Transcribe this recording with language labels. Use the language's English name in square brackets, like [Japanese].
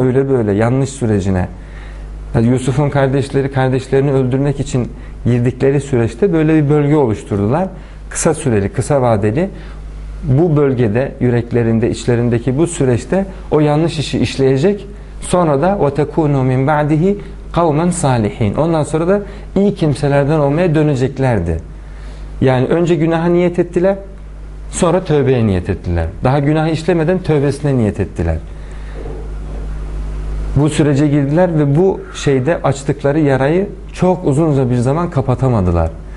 [Turkish] Öyle böyle yanlış sürecine. Yani Yusuf'un kardeşleri kardeşlerini öldürmek için girdikleri süreçte böyle bir bölge oluşturdular. Kısa süreli, kısa vadeli. Bu bölgede, yüreklerinde, içlerindeki bu süreçte o yanlış işi işleyecek. Sonra da [Arabic] وَتَكُونُوا مِنْ بَعْدِهِ قَوْمًا صَالِح۪ينَ. [Turkish] Ondan sonra da iyi kimselerden olmaya döneceklerdi. Yani önce günaha niyet ettiler, sonra tövbeye niyet ettiler. Daha günahı işlemeden tövbesine niyet ettiler. Bu sürece girdiler ve bu şeyde açtıkları yarayı çok uzun bir zaman kapatamadılar.